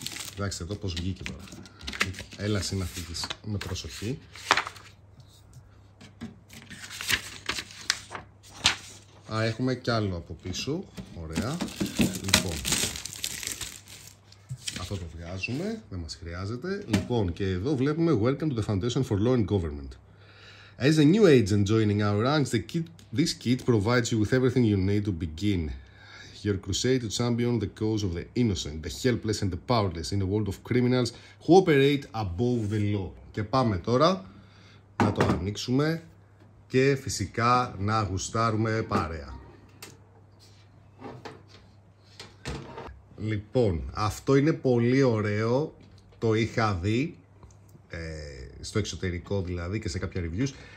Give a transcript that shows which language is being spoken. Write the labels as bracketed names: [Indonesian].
[Greek] Κοιτάξτε εδώ πως βγήκε τώρα. Έλα εσύ να φύγεις με προσοχή. Α, έχουμε κι άλλο από πίσω. Ωραία. Λοιπόν, αυτό το βγάζουμε. Δεν μας χρειάζεται. Λοιπόν, και εδώ βλέπουμε [English] Welcome to the Foundation for Law and Government. As a new agent joining our ranks, this kit provides you with everything you need to begin your crusade to champion the cause of the innocent, the helpless and the powerless in a world of criminals who operate above the law. [Greek] Και πάμε τώρα να το ανοίξουμε και φυσικά να γουστάρουμε παρέα. Λοιπόν, αυτό είναι πολύ ωραίο, το είχα δει στο εξωτερικό δηλαδή και σε κάποια reviews.